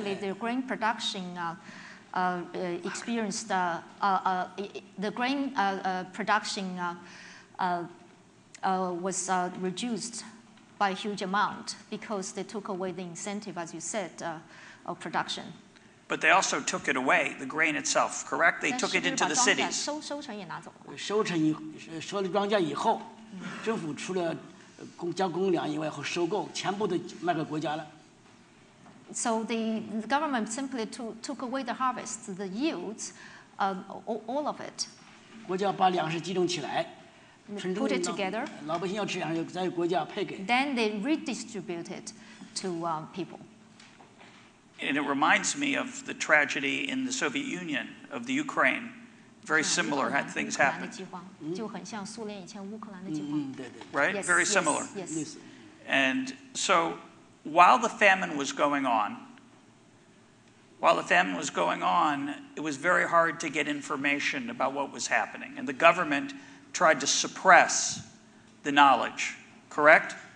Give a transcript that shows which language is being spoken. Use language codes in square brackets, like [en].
[en] actually, the grain production experienced reduced by a huge amount because they took away the incentive, as you said, of production. But they also took it away, the grain itself, correct? They took it into the cities. [zh] 收成也拿走了。收成以收了庄稼以后，政府除了交公粮以外，和收购全部都卖给国家了。 [en] So the government simply took away the harvest, the yields, all of it. [zh] 国家把粮食集中起来， [en] put it together. [zh] 老百姓要吃粮食，在国家配给。 [en] Then they redistributed to people. And it reminds me of the tragedy in the Soviet Union of the Ukraine. Very similar had things happen. [zh] 乌克兰的饥荒，就很像苏联以前乌克兰的饥荒。嗯，对对。 [en] Right? Yes, very similar. Yes. And so. While the famine was going on, it was very hard to get information about what was happening. And the government tried to suppress the knowledge, correct?